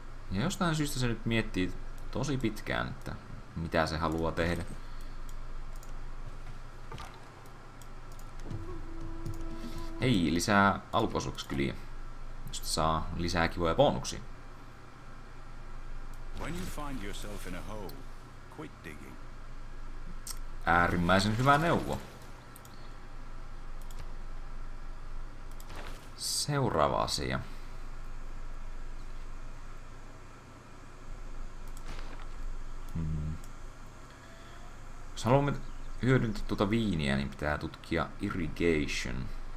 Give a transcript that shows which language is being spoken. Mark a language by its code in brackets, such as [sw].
[fi] Ja jostain syystä se nyt miettii tosi pitkään, että mitä se haluaa tehdä. Hei, lisää alkuosuuskyliä, josta saa lisää kivoja bonuksia. [en] When you find yourself in a hole, quit digging. [fi] Äärimmäisen hyvä neuvo. Seuraava asia. Jos haluamme hyödyntää tuota viiniä, niin pitää tutkia irrigation.